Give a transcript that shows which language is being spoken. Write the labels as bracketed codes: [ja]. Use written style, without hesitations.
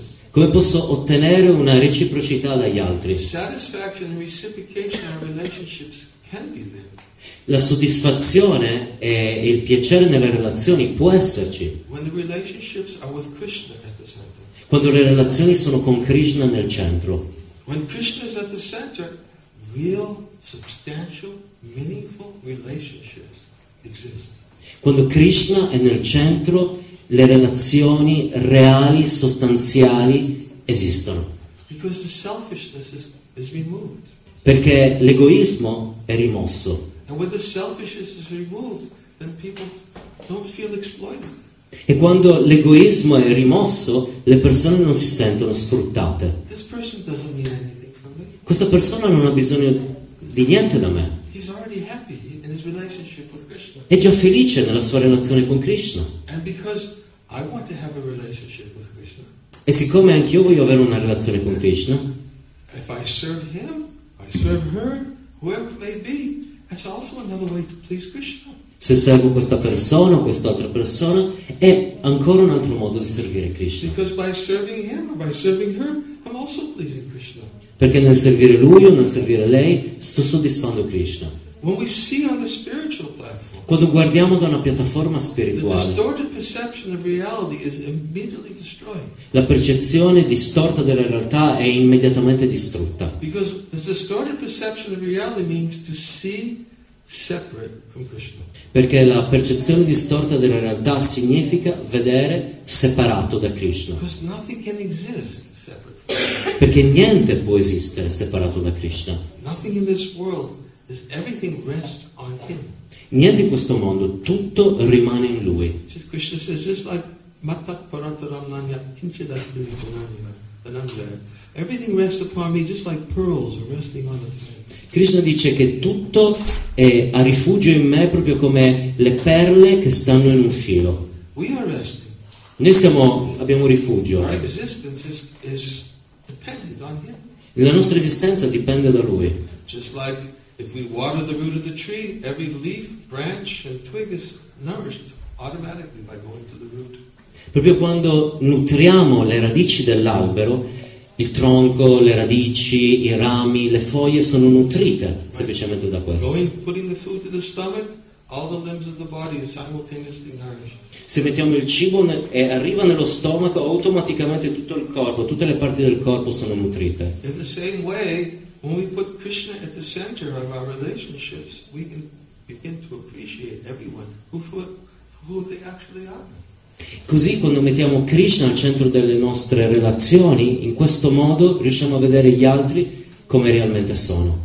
[it] Come posso ottenere una reciprocità dagli altri? [en] Satisfaction and reciprocation in relationships can be there. [it] La soddisfazione e il piacere nelle relazioni può esserci. [en] When the relationships are with Krishna at the center. [it] Quando le relazioni sono con Krishna nel centro. [en] When Krishna is at the center, real, substantial, meaningful relationships exist. [it] Quando Krishna è nel centro, le relazioni reali, sostanziali esistono. [en] Because the selfishness is removed. [it] Perché l'egoismo è rimosso. [en] And when the selfishness is removed, then people don't feel exploited. [it] E quando l'egoismo è rimosso, le persone non si sentono sfruttate. [en] This person doesn't need anything from me. [it] Questa persona non ha bisogno di niente da me. [en] He's already happy in his relationship with Krishna. [it] È già felice nella sua relazione con Krishna. [en] And because I want to have a relationship with Krishna. [it] E siccome anch'io voglio avere una relazione con Krishna. [en] If I serve him, I serve her, whoever it may be, it's also another way to please Krishna. [it] Se servo questa persona o quest'altra persona, è ancora un altro modo di servire Krishna. [en] Because by serving him or by serving her, I'm also pleasing Krishna. [it] Perché nel servire lui o nel servire lei sto soddisfando Krishna. [en] When we see on the spiritual platform, [it] quando guardiamo da una piattaforma spirituale, [en] the distorted perception of reality is immediately destroyed. [it] La percezione distorta della realtà è immediatamente distrutta. [en] Because the distorted perception of reality means to see separate from Krishna. [it] Perché la percezione distorta della realtà significa vedere separato da Krishna. [en] Because nothing can exist separate from Krishna. [it] Perché niente può esistere separato da Krishna. [en] Nothing in this world. Everything rests on him. [it] Niente in questo mondo, tutto rimane in lui. [en] Krishna says just like [sa] matat parantaram nanya kinchidas divinanya ananda. [en] Everything rests upon me just like pearls are resting on the thread. [it] Krishna dice che tutto è a rifugio in me proprio come le perle che stanno in un filo. [en] We are resting. [it] Noi siamo, abbiamo rifugio. [en] Our existence is dependent on him. [it] La nostra esistenza dipende da lui. [en] Just like if we water the root of the tree, every leaf, branch and twig is nourished automatically by going to the root. [it] Proprio quando nutriamo le radici dell'albero, il tronco, le radici, i rami, le foglie sono nutrite semplicemente da questo. [en] Going, putting the food to the stomach, all the limbs of the body are simultaneously nourished. [it] Se mettiamo il cibo e arriva nello stomaco, automaticamente tutto il corpo, tutte le parti del corpo sono nutrite. [en] In the same way, when we put Krishna at the center of our relationships, we can begin to appreciate everyone who they actually are. [it] Così quando mettiamo Krishna al centro delle nostre relazioni, in questo modo riusciamo a vedere gli altri come realmente sono.